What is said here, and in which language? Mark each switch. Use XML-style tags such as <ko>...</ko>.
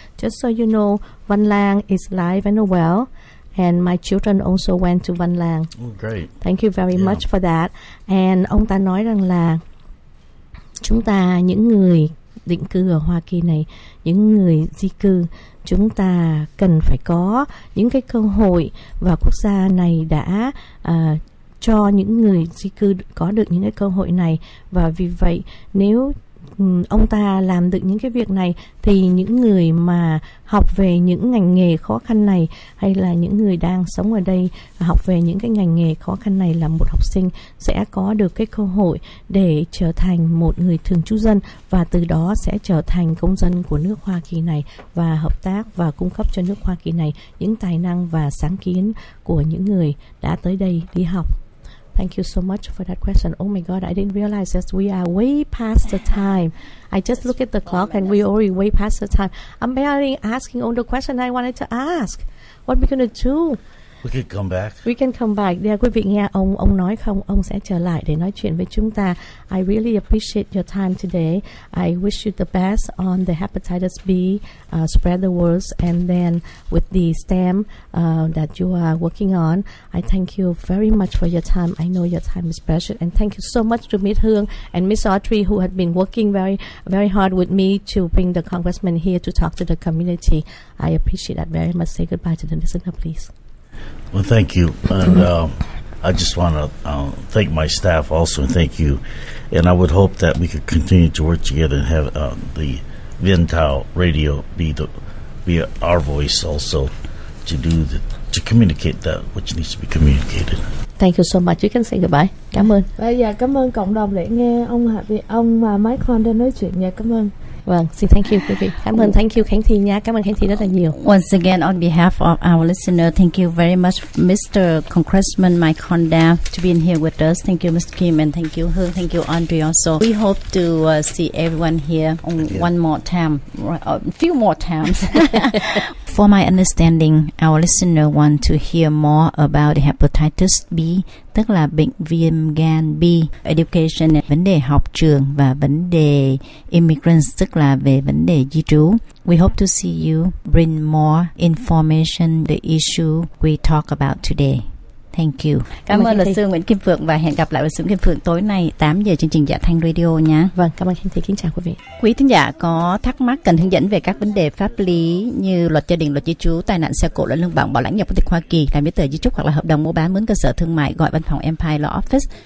<en>Just so you know, văn lang is alive and well, and my children also went to văn lang. Oh, great. Thank you very much for that.</en> <vi>And ông ta nói rằng là chúng ta những người định cư ở Hoa Kỳ này, những người di cư, chúng ta cần phải có những cái cơ hội, và quốc gia này đã cho những người di cư có được những cái cơ hội này. Và vì vậy nếu ông ta làm được những cái việc này thì những người mà học về những ngành nghề khó khăn này, hay là những người đang sống ở đây học về những cái ngành nghề khó khăn này là một học sinh, sẽ có được cái cơ hội để trở thành một người thường trú dân, và từ đó sẽ trở thành công dân của nước Hoa Kỳ này, và hợp tác và cung cấp cho nước Hoa Kỳ này những tài năng và sáng kiến của những người đã tới đây đi học.</vi> <en>Thank you so much for that question. Oh my God, I didn't realize that we are way past the time. I just look at the clock and we're already way past the time. I'm barely asking all the questions I wanted to ask. What are we going to do? We can come back. We can come back.</en> <vi>Yeah, quý vị nghe ông nói không, ông sẽ trở lại để nói chuyện với chúng ta.</vi> <en>I really appreciate your time today. I wish you the best on the hepatitis B, spread the words, and then with the STEM that you are working on. I thank you very much for your time. I know your time is precious, and thank you so much to Miss Hương and Miss Autry, who had been working very, very hard with me to bring the congressman here to talk to the community. I appreciate that very much. Say goodbye to the listener, please. Well, thank you, and I just want to thank my staff also, and thank you, and I would hope that we could continue to work together and have the Vintao Radio be our voice also to do to communicate that which needs to be communicated. Thank you so much. You can say goodbye.</en> <vi>Cảm ơn. Vâng, dạ, cảm ơn cộng đồng để nghe ông Hạ Việt, ông mà Mike Khoan đã nói chuyện nha. Cảm ơn. Vâng, xin</vi> <en>thank you</en> <vi>quý vị. Cảm ơn,</vi> <en>thank you</en> <vi>Khánh Thi nha. Cảm ơn Khánh Thi rất là nhiều.</vi> <en>Once again, on behalf of our listener, thank you very much, Mr. Congressman Mike Honda, to be in here with us. Thank you, Mr. Kim, and thank you, Hương. Thank you, Andre also. We hope to see everyone here one more time, a few more times. For my understanding, our listener want to hear more about hepatitis B,</en> <vi>tức là bệnh viêm gan B,</vi> <en>education,</en> <vi>vấn đề học trường, và vấn đề</vi> <en>immigrants,</en> <vi>tức là về vấn đề di trú.</vi> <en>We hope to see you bring more information the issue we talk about today. Thank you.</en> <vi>Cảm ơn luật sư Nguyễn Kim Phượng, và hẹn gặp lại luật sư Kim Phượng tối nay 8 giờ chương trình Dạ Thanh Radio nha. Vâng, cảm ơn Khánh Thi, kính chào quý vị. Quý thính giả có thắc mắc cần hướng dẫn về các vấn đề pháp lý như luật gia đình, luật di trú, tai nạn xe cộ, luật lương bổng, bảo lãnh nhập quốc tịch Hoa Kỳ, làm giấy tờ di trúc hoặc là hợp đồng mua bán mướn cơ sở thương mại, gọi văn phòng Empire Law Office.</vi>